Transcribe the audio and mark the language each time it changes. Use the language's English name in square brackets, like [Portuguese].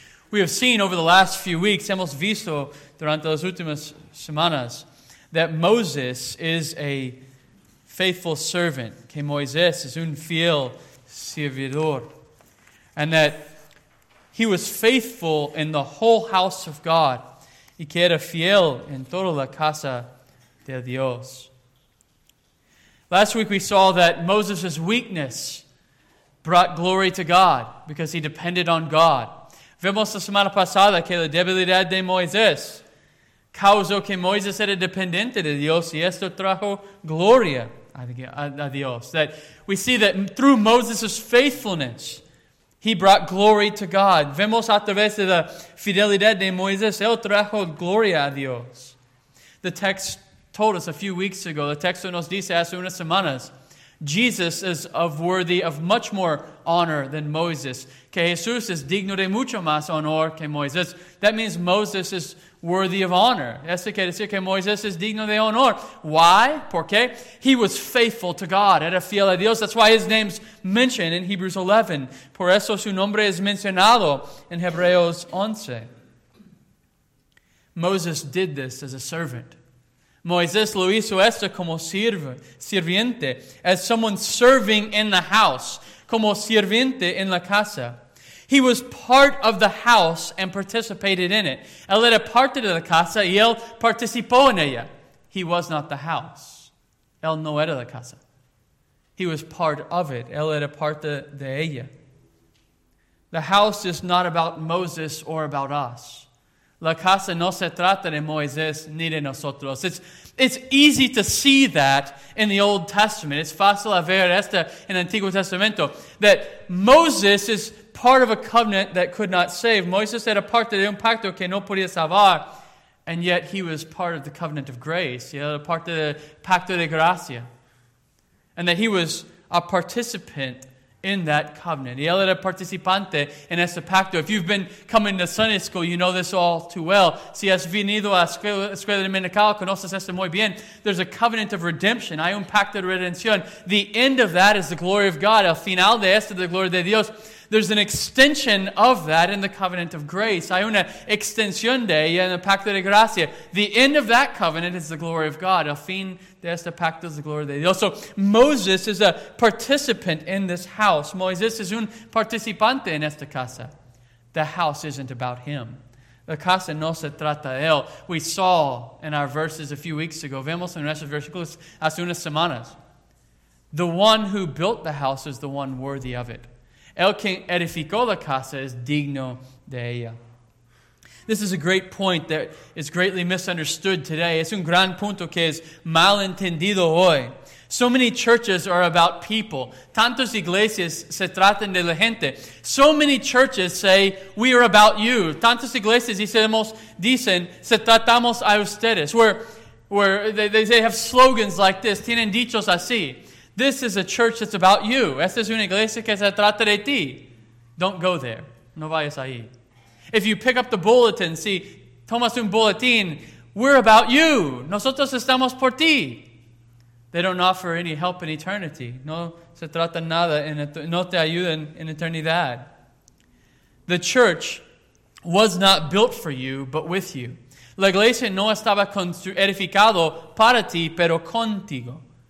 [English] We have seen over the last few weeks, [Spanish] hemos visto durante las últimas semanas, [English] that Moses is a faithful servant, [Spanish] que Moisés es un fiel servidor, [English] and that he was faithful in the whole house of God, [Spanish] y que era fiel en toda la casa de Dios. [English] Last week we saw that Moses' weakness brought glory to God because he depended on God. [Spanish] Vemos la semana pasada que la debilidad de Moisés causó que Moisés era dependiente de Dios y esto trajo gloria a Dios. [English] That we see that through Moses' faithfulness, he brought glory to God. [Spanish] Vemos a través de la fidelidad de Moisés, él trajo gloria a Dios. [English] The text told us a few weeks ago, the [Spanish] texto nos dice hace unas semanas, [English] Jesus is worthy of much more honor than Moses. [Spanish] Que Jesús es digno de mucho más honor que Moisés. [English] That means Moses is worthy of honor. [Spanish] Eso quiere decir que Moisés es digno de honor. [English] Why? [Spanish] ¿Por qué? [English] He was faithful to God. [Spanish] Era fiel a Dios. [English] That's why his name's mentioned in Hebrews 11. [Spanish] Por eso su nombre es mencionado en Hebreos 11. [English] Moses did this as a servant. [Spanish] Moisés lo hizo esto como sirviente, [English] as someone serving in the house, [Spanish] como sirviente en la casa. [English] He was part of the house and participated in it. [Spanish] Él era parte de la casa y él participó en ella. [English] He was not the house. [Spanish] Él no era la casa. [English] He was part of it. [Spanish] Él era parte de ella. [English] The house is not about Moses or about us. [Spanish] La casa no se trata de Moisés ni de nosotros. [English] It's easy to see that in the Old Testament. It's [Spanish] fácil a ver esto en el Antiguo Testamento. [English] That Moses is part of a covenant that could not save. [Spanish] Moisés era parte de un pacto que no podía salvar. [English] And yet he was part of the covenant of grace. He [Spanish] era parte del pacto de gracia. [English] And that he was a participant in that covenant. [Spanish] Y él era participante en ese pacto. [English] If you've been coming to Sunday school, you know this all too well. [Spanish] Si has venido a escuela dominical, conoces esto muy bien. [English] There's a covenant of redemption. [Spanish] Hay un pacto de redención. [English] The end of that is the glory of God. [Spanish] El final de esto es la gloria de Dios. [English] There's an extension of that in the covenant of grace. [Spanish] Hay una extensión de ella en el pacto de gracia. [English] The end of that covenant is the glory of God. [Spanish] El fin de este pacto es la gloria de Dios. [English] So Moses is a participant in this house. [Spanish] Moisés es un participante en esta casa. [English] The house isn't about him. [Spanish] La casa no se trata de él. [English] We saw in our verses a few weeks ago, [Spanish] vemos en nuestros versículos hace unas semanas, [English] the one who built the house is the one worthy of it. [Spanish] El que edificó la casa es digno de ella. [English] This is a great point that is greatly misunderstood today. [Spanish] Es un gran punto que es mal entendido hoy. [English] So many churches are about people. [Spanish] Tantas iglesias se tratan de la gente. [English] So many churches say, we are about you. [Spanish] Tantas iglesias dicen, se tratamos a ustedes. [English] They have slogans like this. [Spanish] Tienen dichos así. [English] This is a church that's about you. [Spanish] Esta es una iglesia que se trata de ti. [English] Don't go there. [Spanish] No vayas ahí. [English] If you pick up the bulletin, see, [Spanish] tomas un boletín, [English] we're about you. [Spanish] Nosotros estamos por ti. [English] They don't offer any help in eternity. [Spanish] No se trata nada, no te ayudan en eternidad. [English] The church was not built for you, but with you. [Spanish] La iglesia no estaba edificado para ti, pero contigo.